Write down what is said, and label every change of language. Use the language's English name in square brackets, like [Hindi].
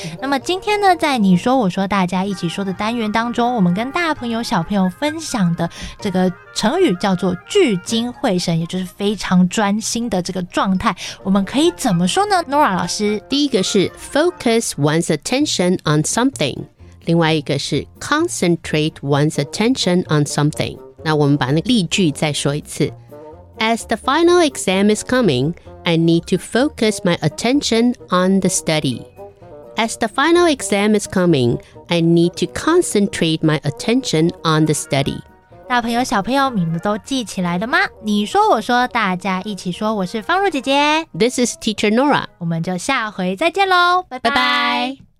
[Chinese] 那么今天呢，在你说我说大家一起说的单元当中，我们跟大朋友小朋友分享的这个成语叫做聚精会神，也就是非常专心的这个状态，我们可以怎么说呢？ Nora 老师，第一个是 [English] focus one's attention on something， [Chinese] 另外一个是 [English] concentrate one's attention on something。 [Chinese] 那我们把那个例句再说一次。 [English] As the final exam is coming, I need to focus my attention on the study. As the final exam is coming, I need to concentrate my attention on the study. [Chinese] 大朋友小朋友，你们都记起来了吗？你说我说大家一起说，我是方如姐姐。 [English] This is Teacher Nora. [Chinese] 我们就下回再见咯，拜拜。